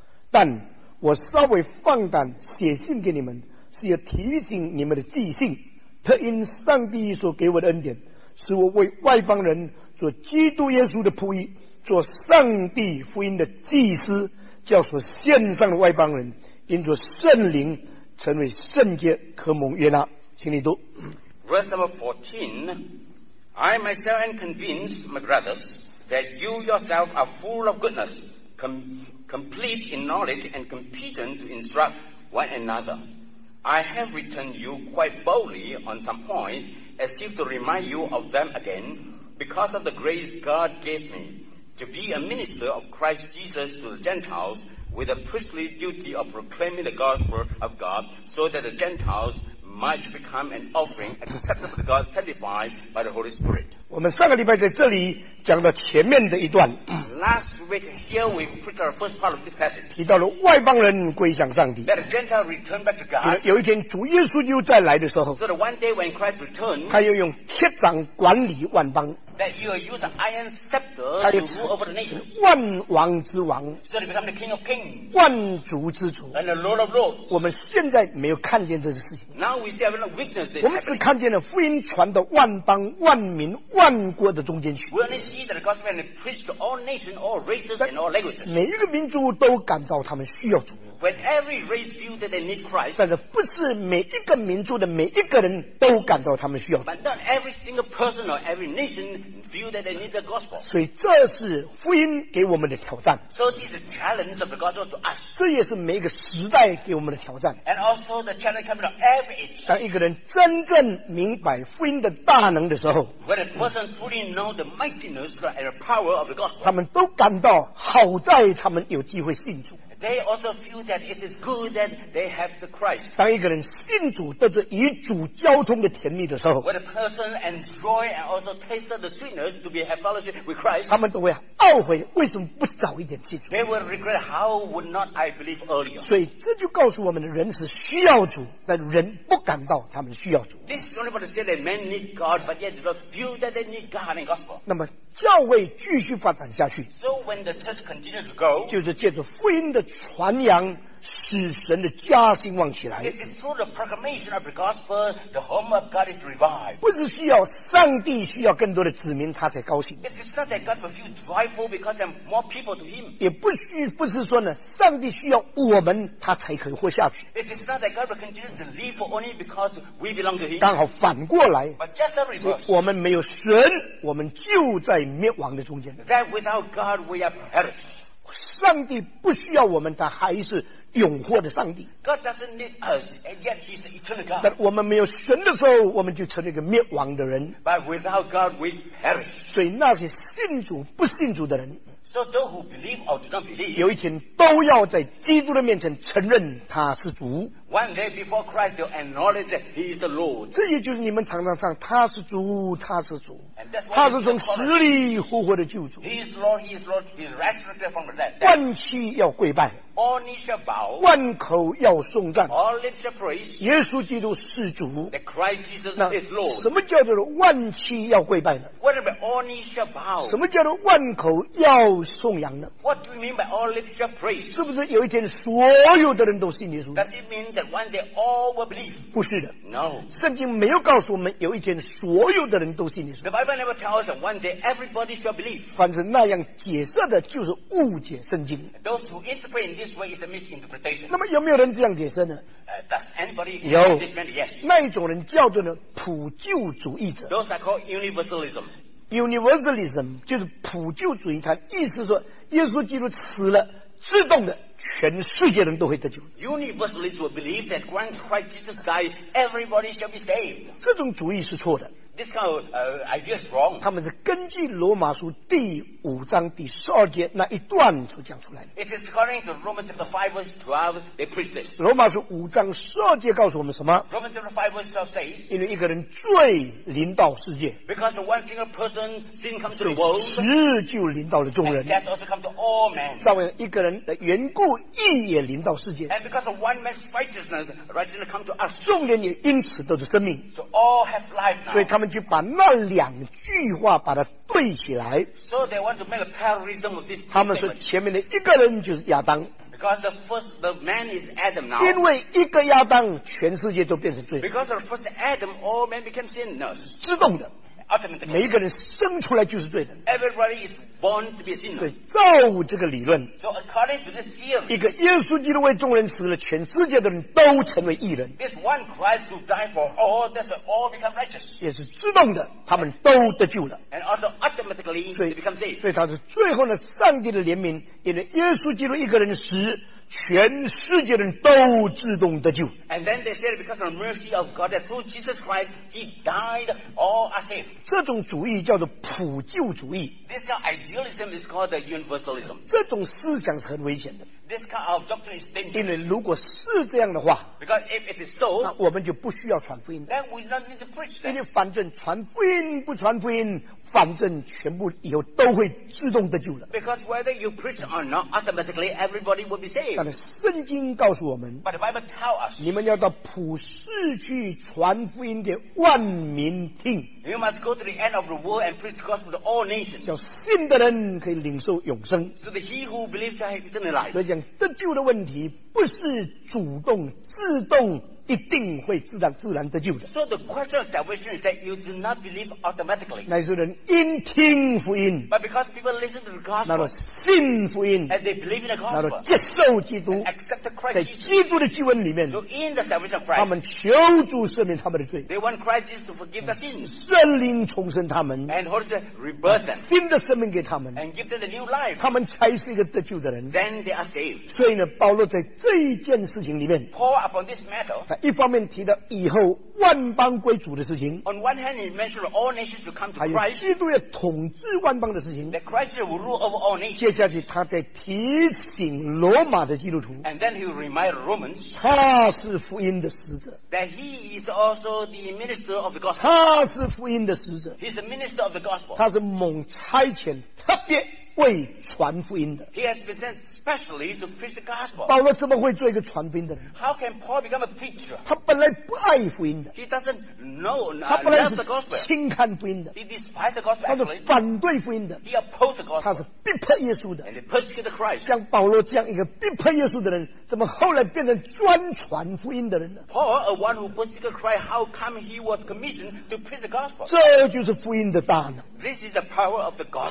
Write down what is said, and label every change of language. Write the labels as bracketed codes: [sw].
[zh] 但我稍微放胆写信给你们，是要提醒你们的记性，特因上帝所给我的恩典，使我为外邦人做基督耶稣的仆役，做上帝福音的祭司，叫所献上的外邦人因着圣灵成为圣洁，可蒙悦纳。请你读 [en] Verse number 14. I myself am convinced, my brothers, that you yourself are full of goodness, complete in knowledge and competent to instruct one another. I have written you quite boldly on some points, as if to remind you of them again, because of the grace God gave me to be a minister of Christ Jesus to the Gentiles, with a priestly duty of proclaiming the gospel of God, so that the Gentiles might become an offering acceptable to God, sanctified by the Holy Spirit. [zh] 我们上个礼拜在这里讲了前面的一段。 [en] Last week here we preached our first part of this passage. [zh] 提到了外邦人归向上帝。 [en] That the Gentiles return back to God. [zh] 有一天主耶稣又再来的时候。 [en] So that one day when Christ returns, [zh] 他又用铁掌管理万邦。 [en] That he will use an iron scepter to rule over the nation. [zh] 万王之王。 [en] So that he becomes the King of Kings. [zh] 万族之主。 [en] And the Lord of Lords. [zh] 我们现在没有看见这个事情。 [en] Now we see a witness. [zh] 我们只看见了福音传到万邦万民万国的中间去。 [en] We only see that the gospel is preached to all nations, all races, and all languages. [zh] 每一个民族都感到他们需要主。 [en] When every race feels that they need Christ. [zh] 但是不是每一个民族的每一个人都感到他们需要主。 [en] But not every single person or every nation feels that they need the gospel. [zh] 所以这是福音给我们的挑战。 [en] So this is the challenge of the gospel to us. [zh] 这也是每一个时代给我们的挑战。 [en] And also the challenge coming from every age. [zh] 当一个人真正明白福音的大能的时候。 [en] When a person fully knows the mightiness and the power of the gospel. [zh] 他们都感到好在他们有机会信主。 [en] They also feel that it is good that they have the Christ. [zh] 当一个人信主得着与主交通的甜蜜的时候， [en] when a person enjoy and also taste the sweetness to be have fellowship with Christ, [zh] 他们都会懊悔为什么不早一点信主。 [en] They will regret how would not I believe earlier. [zh] 所以这就告诉我们，人是需要主，但人不感到他们需要主。 [en] This is only for to say that men need God, but yet they feel that they need God and gospel. [zh] 那么教会继续发展下去， [en] so when the church continues to grow, [zh] 就是借着福音的传扬，使神的家兴旺起来。 [en] It is through the proclamation of the gospel, the home of God is revived. [zh] 不是需要上帝需要更多的子民他才高兴。 [en] It is not that God will feel joyful because there are more people to him. [zh] 也不需不是说呢，上帝需要我们他才可以活下去。 [en] It is not that God will continue to live for only because we belong to him. [zh] 刚好反过来。 [en] But just the reverse. [zh] 我们没有神，我们就在灭亡的中间。 [en] That without God we are perished. [zh] 上帝不需要我们，他还是永活的上帝。 [en] God doesn't need us, and yet He's an eternal God. [zh] 但我们没有神的时候，我们就成了一个灭亡的人。 [en] But without God, we perish. [zh] 所以那些信主不信主的人， [en] so those who believe or do not believe, [zh] 有一天都要在基督的面前承认他是主。 [en] One day before Christ, they'll acknowledge that He is the Lord. [zh] 这也就是你们常常唱他是主，他是主。 [en] And that's why [zh] 他是从死里复活的救主。 [en] He is Lord, He is Lord, He is resurrected from the dead. [zh] 万膝要跪拜。 [en] All knees shall bow. [zh] 万口要颂赞。 [en] All lips shall praise. [zh] 耶稣基督是主。 [en] That Christ Jesus is Lord. [zh] 什么叫做万膝要跪拜呢？ [en] What about all knees shall bow? [zh] 什么叫做万口要颂扬呢？ [en] What do you mean by all lips shall praise? [zh] 是不是有一天所有的人都信耶稣？ [en] Does it mean that one day all will believe? [zh] 不是的。 [en] No. [zh] 圣经没有告诉我们有一天所有的人都信耶稣。 [en] The Bible never tells us one day everybody shall believe. [zh] 反正那样解释的就是误解圣经。 [en] Those who interpret in this way is a misinterpretation. [zh] 那么有没有人这样解释呢？ [en] Does anybody interpret this way? Yes. [zh] 那一种人叫做呢普救主义者。 [en] Those are called universalism. [zh] Universalism 就是普救主义，他意思说耶稣基督死了，自动的全世界人都会得救。 [en] Universalists will believe that when Christ Jesus died, everybody shall be saved. [zh] 这种主义是错的。 [en] this kind of idea is wrong. [zh] 他们是根据罗马书第五章第十二节那一段所讲出来的。 [en] It is according to Romans chapter 5 verse 12, they preach this. [zh] 罗马书五章十二节告诉我们什么？ [en] Romans chapter 5 verse 12 says, [zh] 因为一个人罪临到世界。 [en] Because the one single person, sin comes to the world. [zh] 死就临到了众人。 [en] And death also comes to all men. [zh] 照样一个人的缘故义也临到世界。 [en] And because of one man's righteousness, righteousness comes to us. [zh] 众人也因此得着生命。 [en] So all have life now. [zh] 所以他们就把那两句话把它对起来。 [en] So they want to make a parallelism of this. [zh] 他们说前面的一个人就是亚当。 [en] Because the first the man is Adam now. [zh] 因为一个亚当，全世界都变成罪。 [en] Because of the first Adam, all men became sinners. [zh] 自动的。 [en] Ultimately, [zh] 每一个人生出来就是罪的。 [en] Everybody is born to be a sinner. [zh] 所以造物这个理论。 [en] So according to this theory, [zh] 一个耶稣基督为众人死了，全世界的人都成为义人。 [en] This one Christ who died for all, that's all become righteous. [zh] 也是自动的，他们都得救了。 [en] And also automatically, they become saved. [zh] 所以他是最后的上帝的怜悯，因为耶稣基督一个人死。全世界人都自动得救。 [en] And then they said because of the mercy of God that through Jesus Christ He died, all are saved. [zh] 这种主义叫做普救主义。 [en] This kind of idealism is called the universalism. [zh] 这种思想是很危险的。 [en] This kind of doctrine is dangerous. [zh] 因为如果是这样的话， [en] because if it is so, [zh] 那我们就不需要传福音。 [en] Then we don't need to preach. [zh] 因为反正传福音不传福音。反正全部以后都会自动得救了。 [en] Because whether you preach or not, automatically everybody will be saved. [zh] 但是圣经告诉我们， [en] But the Bible tells us, [zh] 你们要到普世去传福音给万民听。 [en] You must go to the end of the world and preach the gospel to all nations. [zh] 叫信的人可以领受永生。 [en] So that he who believes shall have eternal life. [zh] 所以讲得救的问题不是主动自动。一定会自然得救的。 [en] So the question of salvation is that you do not believe automatically. [zh] 乃是人因听福音。 [en] But because people listen to the gospel. [zh] 那么信福音。 [en] And they believe in the gospel. [zh] 那么接受基督。 [en] And accept the Christ. [zh] 在基督的救恩里面。 [en] So in the salvation of Christ. [zh] 他们求主赦免他们的罪。 [en] They want Christ Jesus to forgive the sins. [zh] 圣灵重生他们。 [en] And Holy Spirit rebirth them. [zh] 新的生命给他们。 [en] And give them a new life. [zh] 他们才是一个得救的人。 [en] Then they are saved. [zh] 所以呢，保罗在这一件事情里面。 [en] Paul upon this matter. [zh] 一方面提到以后万邦归主的事情 [en] On one hand, he mentioned all nations to come to Christ, [zh] 还有基督要统治万邦的事情 [en] that Christ will rule over all nations. [zh] 接下去他在提醒罗马的基督徒 [en] And then he will remind Romans, [zh] 他是福音的使者 [en] that he is also the minister of the gospel. [zh] 他是福音的使者 [en] he is the minister of the gospel. [zh] 他是蒙差遣特别为传福音的。 [en] He has been sent specially to preach the gospel. [zh] 保罗怎么会做一个传福音的人？ [en] How can Paul become a preacher? [zh] 他本来不爱福音的。 [en] He doesn't know love the gospel. [zh] 他本来是轻看福音的。 [en] He despised the gospel. [zh] 他是反对福音的。 [en] He opposed the gospel. [zh] 他是逼迫耶稣的。 [en] And he persecuted Christ. [zh] 像保罗这样一个逼迫耶稣的人，怎么后来变成专传福音的人呢？ [en] Paul, a one who persecuted Christ, how come he was commissioned to preach the gospel? [zh] 这就是福音的大能。 [en] This is the power of the gospel.